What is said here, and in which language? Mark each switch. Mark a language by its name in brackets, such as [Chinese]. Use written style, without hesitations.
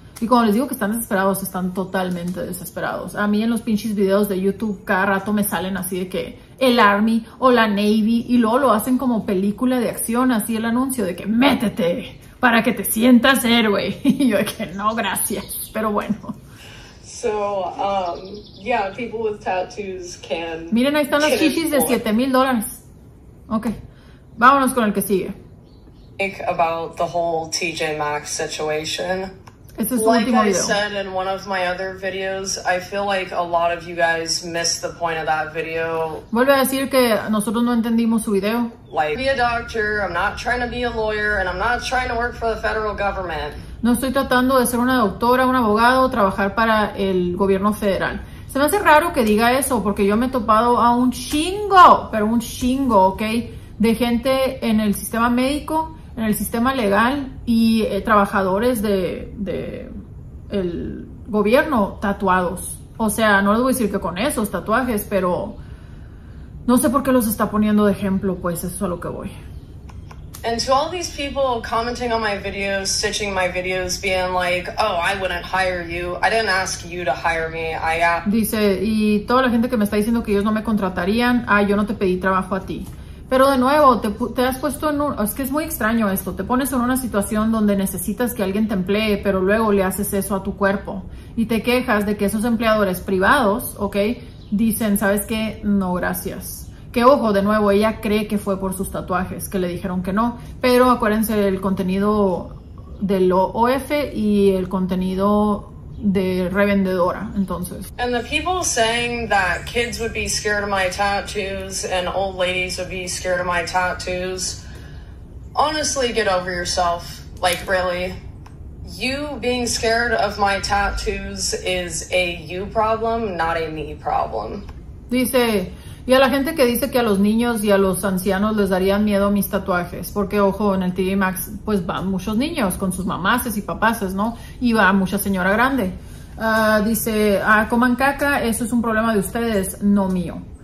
[Spanish] Y cuando les digo que están desesperados, están totalmente desesperados. A mí en los pinches videos de YouTube cada rato me salen así de que el Army o la Navy y luego lo hacen como película de acción, así el anuncio de que métete para que te sientas héroe. Y yo de que no, gracias, pero bueno. [English] So, yeah, people with tattoos can... [Spanish] Miren, ahí están las chichis de $7,000. Ok, vámonos con el que sigue. [English] Think about the whole TJ Maxx situation. [Spanish] Este es [English] like [Spanish] último [English] I [Spanish] video. [English] Said in one of my other videos, I feel like a lot of you guys missed the point of that video. [Spanish] Vuelve a decir que nosotros no entendimos su video. [English] Like, be a doctor, I'm not trying to be a lawyer, and I'm not trying to work for the federal government. [Spanish] No estoy tratando de ser una doctora, un abogado, trabajar para el gobierno federal. Se me hace raro que diga eso, porque yo me he topado a un chingo, pero un chingo, ¿ok? De gente en el sistema médico, en el sistema legal y trabajadores de el gobierno tatuados. O sea, no les voy a decir que con esos tatuajes, pero no sé por qué los está poniendo de ejemplo, pues eso es a lo que voy. [English] And to all these people commenting on my videos, stitching my videos, being like, oh, I wouldn't hire you. I didn't ask you to hire me. [Spanish] Dice, y toda la gente que me está diciendo que ellos no me contratarían, ah, yo no te pedí trabajo a ti. Pero de nuevo, te has puesto en un... Es que es muy extraño esto. Te pones en una situación donde necesitas que alguien te emplee, pero luego le haces eso a tu cuerpo. Y te quejas de que esos empleadores privados, ¿ok? Dicen, ¿sabes qué? No, gracias. Que ojo, de nuevo, ella cree que fue por sus tatuajes, que le dijeron que no. Pero acuérdense el contenido del OF y el contenido de revendedora, entonces. [English] And the people saying that kids would be scared of my tattoos and old ladies would be scared of my tattoos. Honestly, get over yourself. Like, really. You being scared of my tattoos is a you problem, not a me problem. [Spanish] Dice, y a la gente que dice que a los niños y a los ancianos les darían miedo mis tatuajes, porque ojo, en el TV Max pues van muchos niños con sus mamases y papases, ¿no? Y va mucha señora grande. Dice, ah, coman caca, eso es un problema de ustedes, no mío.